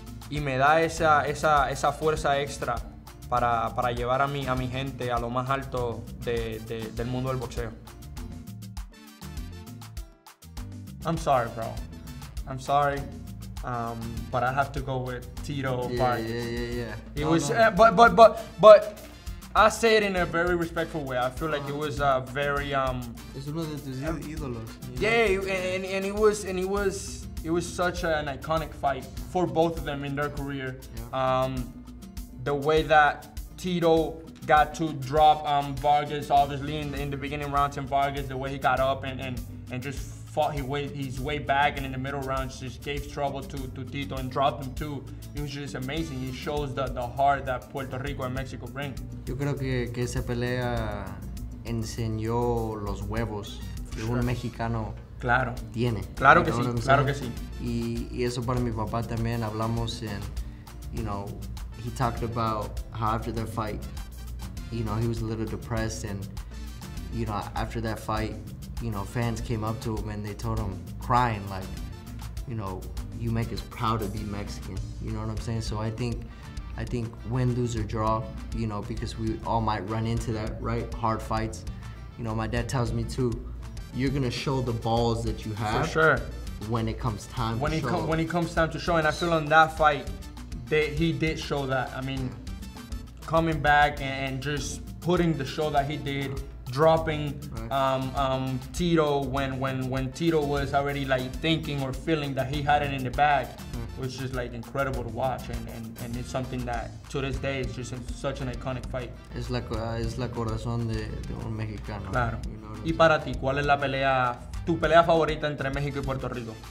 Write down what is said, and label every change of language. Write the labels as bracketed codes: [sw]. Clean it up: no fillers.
[es] Y me da esa fuerza extra para llevar a mi gente a lo más alto del mundo del boxeo. [en] I'm sorry, bro. I'm sorry, but I have to go with Tito Vargas. Yeah. But I say it in a very respectful way. I feel like it was a very [es] Es uno de tus ídolos. [en] Yeah, and it was such an iconic fight for both of them in their career. Yeah. The way that Tito got to drop Vargas, obviously in the beginning rounds, and Vargas, the way he got up and just fought his way back, and in the middle rounds just gave trouble to Tito and dropped him too. It was just amazing. It shows the heart that Puerto Rico and Mexico bring. [es] Yo creo que esa pelea enseñó los huevos de un mexicano. Claro. Tiene. Claro que sí. Claro que sí. Y eso para mi papá también. Hablamos en, [en] you know, he talked about how after that fight, you know, he was a little depressed, and you know, after that fight, you know, fans came up to him and they told him, crying, like, you know, you make us proud to be Mexican. You know what I'm saying? So I think win, lose, or draw, you know, because we all might run into that, right? Hard fights. You know, my dad tells me too, you're gonna show the balls that you have. For sure. When it comes time when to show. When it comes time to show. And I feel on that fight, he did show that. I mean, coming back and just putting the show that he did, dropping Tito when Tito was already like thinking or feeling that he had it in the bag, was just like incredible to watch, and it's something that to this day is just such an iconic fight. [es] Es la corazón de un mexicano. Claro. Y para ti, ¿cuál es la pelea, tu pelea favorita entre México y Puerto Rico?